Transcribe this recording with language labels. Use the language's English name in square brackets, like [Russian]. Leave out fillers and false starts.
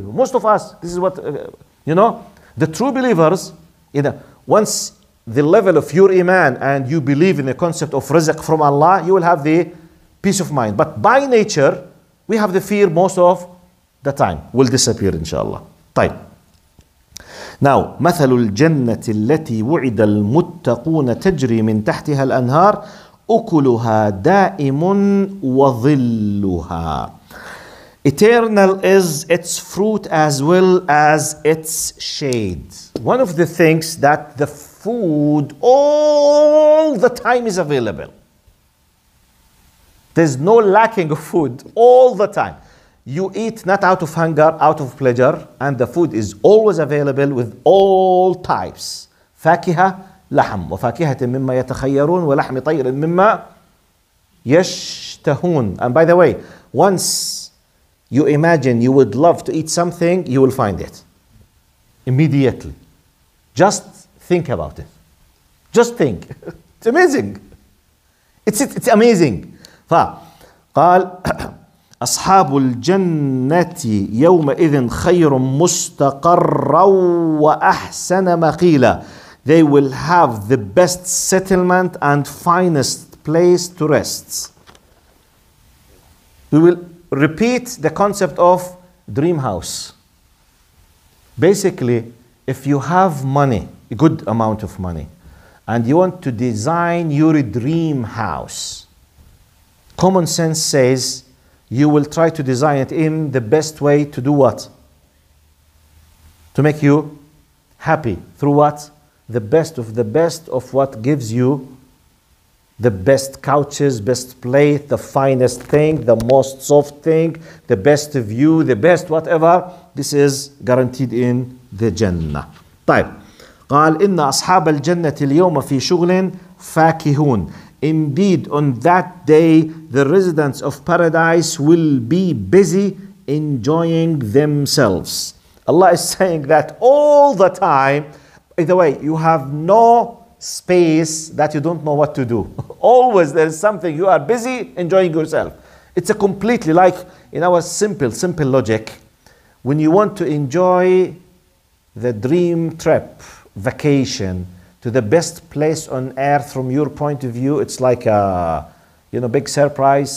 [English] Most of us, this is what, you know, the true believers, you know, once the level of your iman and you believe in the concept of rizq from Allah, you will have the peace of mind. But by nature, we have the fear most of the time. Will disappear, inshallah. طيب. [Arabic] Now, مثل الجنة التي وعد المتقون تجري من تحتها الأنهار أكلها دائم وظلها. [English] Eternal is its fruit as well as its shade. One of the things that the food all the time is available. There's no lacking of food all the time. You eat not out of hunger, out of pleasure, and the food is always available with all types. [Arabic] فاكهة لحم وفاكهة مما يتخيرون ولحم طير مما يشتهون. [English] And by the way, once You imagine you would love to eat something, you will find it immediately. Just think about it. Just think. It's amazing. It's amazing. [Arabic] فقال أصحاب الجنة يومئذ خير مستقر وأحسن مقيلة. [English] They will have the best settlement and finest place to rest. We will repeat the concept of dream house. Basically, if you have money, a good amount of money, and you want to design your dream house, common sense says you will try to design it in the best way to do what? To make you happy. Through what? The best of the best of what gives you the best couches, best plate, the finest thing, the most soft thing, the best view, the best whatever. This is guaranteed in the Jannah. طيب. [Arabic] قال إن أصحاب الجنة اليوم في شغل فاكهون. [English] Indeed, on that day, the residents of paradise will be busy enjoying themselves. Allah is saying that all the time. Either way, you have no space that you don't know what to do. Always there is something. You are busy enjoying yourself. It's a completely, like in our simple logic, when you want to enjoy the dream trip, vacation, to the best place on earth from your point of view, it's like a big surprise.